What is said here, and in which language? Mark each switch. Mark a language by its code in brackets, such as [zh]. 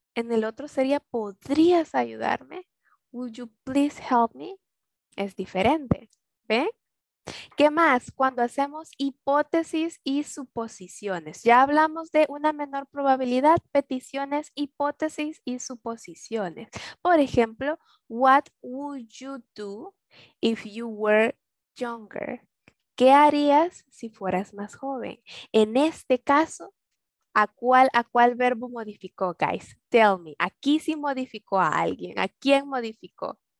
[es] En el otro sería, ¿podrías ayudarme? [en] Would you please help me? [es] Es diferente. ¿Ve? ¿Qué más? Cuando hacemos hipótesis y suposiciones. Ya hablamos de una menor probabilidad, peticiones, hipótesis y suposiciones. Por ejemplo, [en] what would you do if you were younger? [es] ¿Qué harías si fueras más joven? En este caso, ¿A cuál verbo modificó, guys? [en] Tell me. [es] Aquí sí modificó a alguien. ¿A quién modificó?